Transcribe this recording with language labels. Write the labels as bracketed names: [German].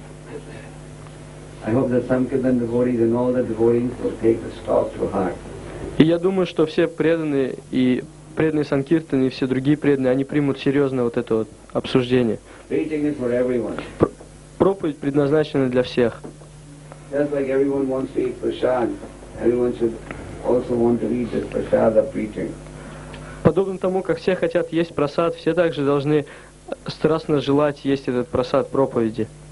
[English] So, I hope that Sankirtan devotees and all the devotees will take this talk to heart. [Russian] И я думаю, что все преданные и преданные Санкиртан и все другие преданные, они примут серьезно вот это вот обсуждение. [English] Preaching is for everyone. [Russian] Проповедь предназначена для всех. [English] Just like everyone wants to eat prasad, everyone should also want to eat this prasad of preaching. [Russian] Подобно тому, как все хотят есть прасад, все также должны страстно желать есть этот просад проповеди.